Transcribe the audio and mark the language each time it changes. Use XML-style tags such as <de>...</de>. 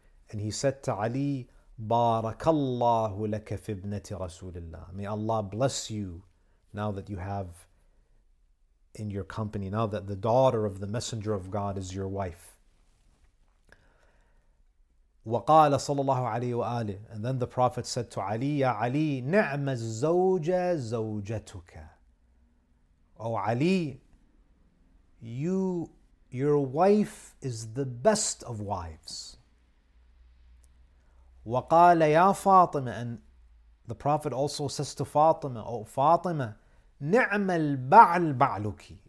<en>And he said to Ali,</en> <ar>بَارَكَ اللَّهُ لَكَ فِي ابْنَةِ رَسُولِ اللَّهِ.</ar> <en>May Allah bless you now that you have in your company, now that the daughter of the Messenger of God is your wife.</en> <ar>وقال صلى الله عليه وآله.</ar> <en>And then the Prophet said to Ali,</en> <ar>يا علي نعم الزوجة زوجتك.</ar> <en>Oh Ali, your wife is the best of wives.</en> <ar>وقال يا فاطمة.</ar> <en>And the Prophet also says to Fatima, oh Fatima,</en> <ar>نعم البعل بعلك.</ar>